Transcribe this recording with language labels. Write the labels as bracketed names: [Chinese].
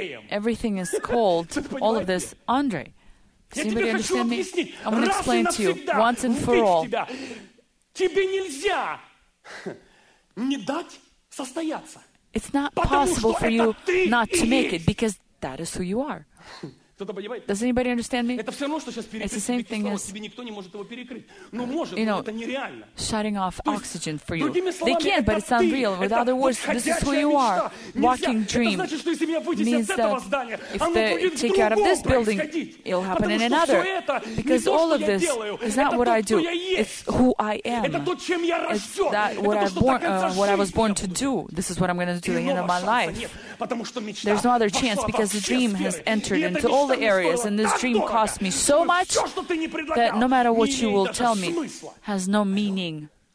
[English] Everything is called, all of this, Andre. Does anybody understand me? I'm going to explain to you once and for all. [Russian] Тебе нельзя не дать состояться. [English] It's not possible for you not to make it, because that is who you are. Does anybody understand me? [Russian] Это все равно, что сейчас перекрыть. [English] It's the same thing as [Russian] тебе никто не может его перекрыть. Но может, но это нереально. [English] Shutting off oxygen for you. They can't, but it's unreal. With other words, this is who you are. Walking dream. [Russian] Это значит, что если меня вытеснят из этого здания, оно будет в другом происходить. [English] It'll happen in another. Because all of this is not what I do. It's who I am. [Russian] Это то, чем я рожден. [English] It's that what I born, what I was born to do. This is what I'm going to do at the end of my life. There's no other chance because the dream has entered into all the areas, and this dream cost me so much that no matter what you will tell me has no meaning.